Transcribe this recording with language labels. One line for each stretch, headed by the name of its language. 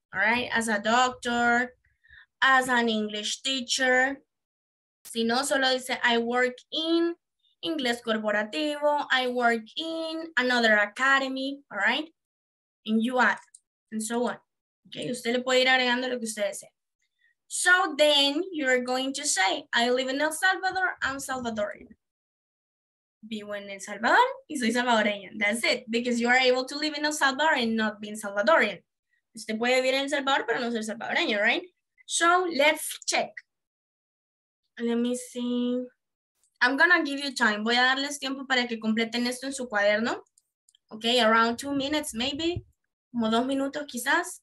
English: Right? As a doctor. As an English teacher.
Spanish: Si no, solo dice
English: I work in.
Spanish: Inglés corporativo,
English: I work in another academy, all right? And you add, and so on.
Spanish: Okay, usted le puede ir agregando lo que usted desee.
English: So then you're going to say, I live in El Salvador, I'm Salvadorian.
Spanish: Vivo en El Salvador y soy salvadoreña.
English: That's it, because you are able to live in El Salvador and not being Salvadorian.
Spanish: Usted puede vivir en El Salvador, pero no ser salvadoreño, right?
English: So let's check. Let me see. I'm gonna give you time.
Spanish: Voy a darles tiempo para que completen esto en su cuaderno.
English: Okay, around 2 minutes maybe.
Spanish: Como 2 minutos quizás.